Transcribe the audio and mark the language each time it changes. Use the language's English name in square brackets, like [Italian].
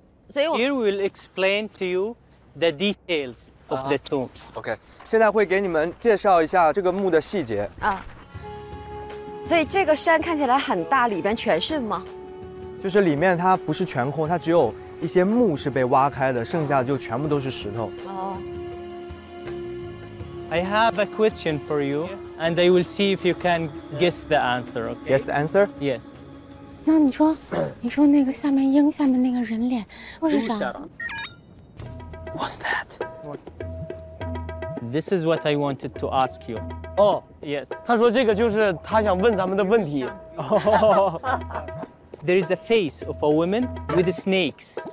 [Chinese] 所以我 [English] Here will explain to you the details of the tombs. [Chinese] OK， 现在会给你们介绍一下这个墓的细节。啊。所以这个山看起来很大，里边全是吗？就是里面它不是全空，它只有一些墓是被挖开的，剩下的就全部都是石头。 [English] I have a question for you, and I will see if you can guess the answer. Okay? Guess the answer? Yes. [Chinese] 那你说那个下面鹰下面那个人脸，为什么 [English] ？What's that? This is what I wanted to ask you. Oh, yes. [Chinese] 他说这个就是他想问咱们的问题。 [English] There is a face of a woman with snakes.